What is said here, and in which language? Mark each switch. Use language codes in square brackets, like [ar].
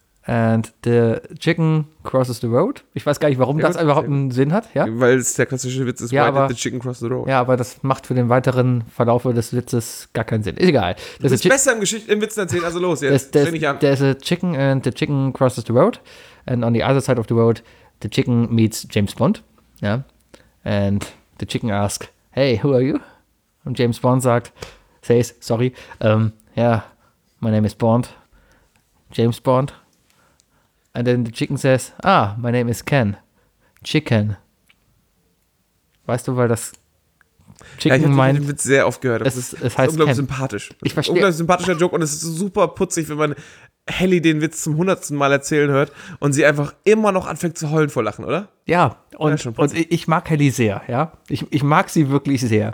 [en] And the chicken crosses the road. [de] Ich weiß gar nicht, warum das überhaupt einen Sinn hat. Ja? Weil es der klassische Witz ist, [en] ja, why did the chicken cross the road? [de] Ja, aber das macht für den weiteren Verlauf des Witzes gar keinen Sinn. Ist egal. Das ist besser im Witzen erzählen, also los jetzt. Stell mich an. [en] There's a chicken and the chicken crosses the road. And on the other side of the road, the chicken meets James Bond. [de] Ja? [en] And the chicken asks, hey, who are you? Und James Bond says, sorry, yeah, my name is Bond. James Bond. And then the chicken says, ah, my name is Ken. [de] Chicken. Weißt du, weil das Chicken meint... Ja, ich habe sehr oft gehört. Es ist, es heißt unglaublich Ken. Sympathisch. Ich verstehe. Unglaublich sympathischer Joke und es ist super putzig, wenn man Helly den Witz zum 100. Mal erzählen hört und sie einfach immer noch anfängt zu heulen vor Lachen, oder? Ja, und ich mag Helly sehr, ja. Ich mag sie wirklich sehr.